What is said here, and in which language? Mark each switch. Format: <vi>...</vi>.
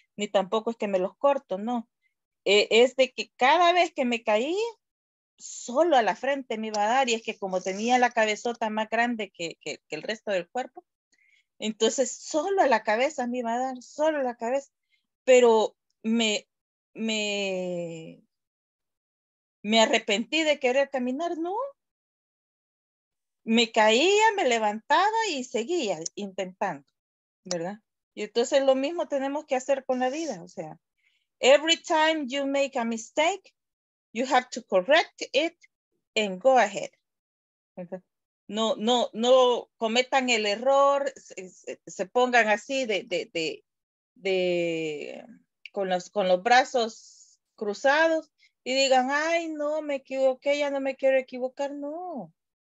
<es>Ni tampoco es que me los corto, no. Es de que cada vez que me caía, solo a la frente me iba a dar, y es que como tenía la cabezota más grande que el resto del cuerpo, entonces solo a la cabeza me iba a dar, solo a la cabeza, pero me arrepentí de querer caminar, no, me caía, me levantaba y seguía intentando, ¿verdad? Y entonces lo mismo tenemos que hacer con la vida. O sea,</es> <en>every time you make a mistake, you have to correct it and go ahead.</en> <es>No cometan el error, se pongan así de con los brazos cruzados y digan, ay, no, me equivoqué, ya no me quiero equivocar. No.</es>